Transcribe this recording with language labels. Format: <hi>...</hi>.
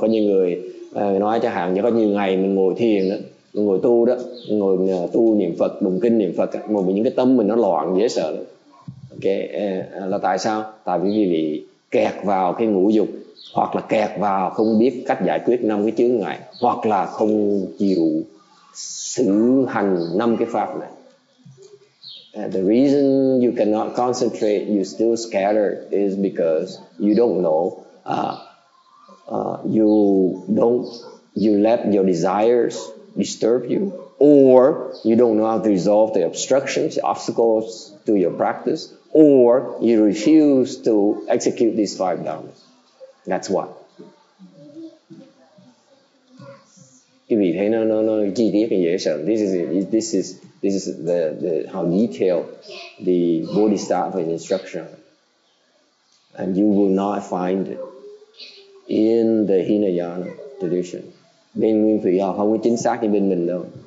<vi>Có những người nói cho hàng, có nhiều ngày mình ngồi thiền đó, mình ngồi tu đó, mình ngồi tu niệm Phật, đụng kinh niệm Phật, ngồi bị những cái tâm mình nó loạn dễ sợ. Đó. Okay, là tại sao? Tại vì quý vị kẹt vào cái ngũ dục. Hoặc là kẹt vào không biết cách giải quyết năm cái chướng ngại, hoặc là không chịu xử hành năm cái pháp này.</vi> <en>The reason you cannot concentrate, you still scatter, is because you don't know, you let your desires disturb you, or you don't know how to resolve the obstructions, the obstacles to your practice, or you refuse to execute these five dharmas. That's what.</en> <vi>Quý vị thấy nó chi tiết dễ sợ.</vi> <en>This is the how detailed the Bodhisattva's instruction. And you will not find it in the Hinayana tradition.</en> <vi>Bên Nguyên Thủy học không có chính xác như bên mình đâu.</vi>